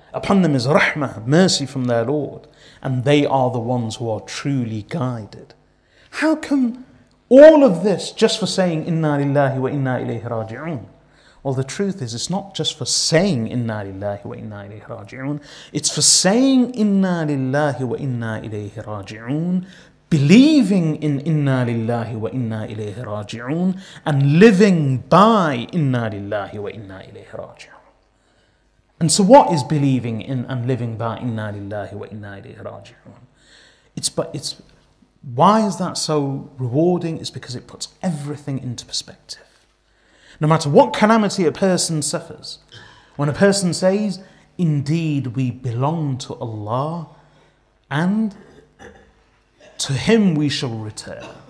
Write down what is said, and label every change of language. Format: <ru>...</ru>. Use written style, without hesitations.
<en>Upon them is rahmah, mercy from their Lord. And they are the ones who are truly guided. How come all of this just for saying</en> <ar>إِنَّا لِلَّهِ وَإِنَّا إِلَيْهِ رَاجِعُونَ?</ar> <en>Well, the truth is, it's not just for saying</en> <ar>إِنَّا لِلَّهِ وَإِنَّا إِلَيْهِ رَاجِعُونَ.</ar> <en>It's for saying</en> <ar>إِنَّا لِلَّهِ وَإِنَّا إِلَيْهِ رَاجِعُونَ,</ar> <en>believing in</en> <ar>إِنَّا لِلَّهِ وَإِنَّا إِلَيْهِ رَاجِعُونَ,</ar> <en>and living by</en> <ar>إِنَّا لِلَّهِ وَإِنَّا إِلَيْهِ رَاجِعُونَ.</ar> <en>And so what is believing in and living by</en> <ar>إِنَّا لِلَّهِ وَإِنَّا إِلَيْهِ رَاجِعُونَ?</ar> <en>Why is that so rewarding? It's because it puts everything into perspective. No matter what calamity a person suffers, when a person says, indeed we belong to Allah and to Him we shall return.</en>